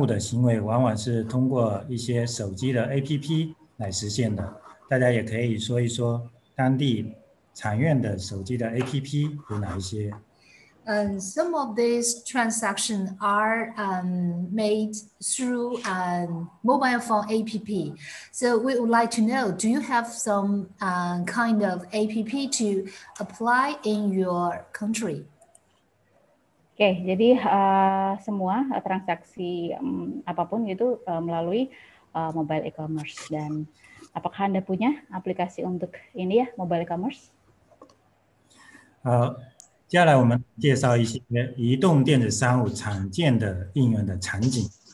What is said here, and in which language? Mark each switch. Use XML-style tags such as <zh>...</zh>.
<zh>这些的商务的行为往往是通过一些手机的 APP 来实现的，大家也可以说一说当地 产院的手机的 APP 有哪一些？</zh> <en>Some of these transactions are made through mobile phone APP. So we would like to know, do you have some kind of APP to apply in your country?</en> <id>Okay, jadi semua transaksi apapun itu melalui mobile e-commerce. Dan apakah Anda punya aplikasi untuk ini, ya, mobile e-commerce?</id> <zh>接下来我们介绍一些移动电子商务常见的应用的场景。</zh>